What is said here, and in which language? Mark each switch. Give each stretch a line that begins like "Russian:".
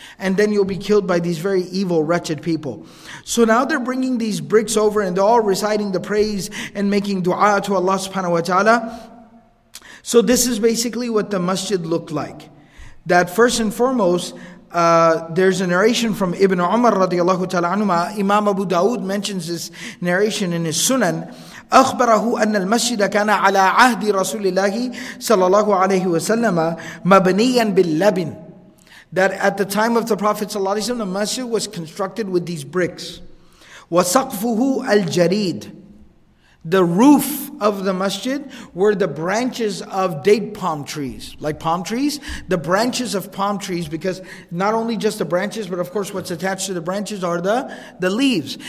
English: And then you'll be killed by these very evil, wretched people. So now they're bringing these bricks over and they're all reciting the praise and making dua to Allah subhanahu wa ta'ala. So this is basically what the masjid looked like. That first and foremost, there's a narration from Ibn Umar radiallahu ta'ala anhuma. Imam Abu Dawud mentions this narration in his Sunan.
Arabic: أخبره أن المسجد كان على عهد رسول الله صلى الله عليه وسلم مبنيا باللبن.
English: That at the time of the Prophet sallallahu alaihi wasallam, the masjid was constructed with these bricks.
Arabic: وَسَقْفُهُ الْجَرِيدُ,
English: the roof of the masjid were the branches of date palm trees, like palm trees, the branches of palm trees, because not only just the branches, but of course what's attached to the branches are the leaves.